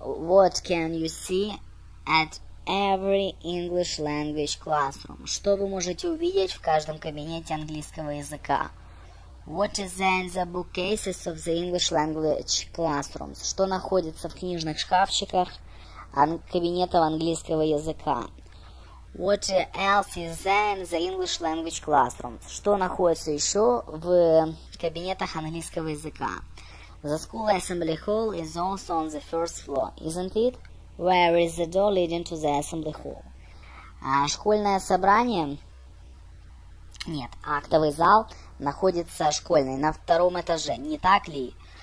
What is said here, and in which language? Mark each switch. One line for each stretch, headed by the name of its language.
English: What can you see at every English language classroom?
Russian: Что вы можете увидеть в каждом кабинете английского языка?
English: What is there in the bookcases of the English language classrooms?
Russian: Что находится в книжных шкафчиках кабинетов английского языка?
English: What else is there in the English language classrooms?
Russian: Что находится еще в кабинетах английского языка?
English: The school assembly hall is also on the first floor, isn't it? Where is the door leading to the assembly hall?
Russian: Школьное собрание? Нет, актовый зал находится школьный на втором этаже, не так ли?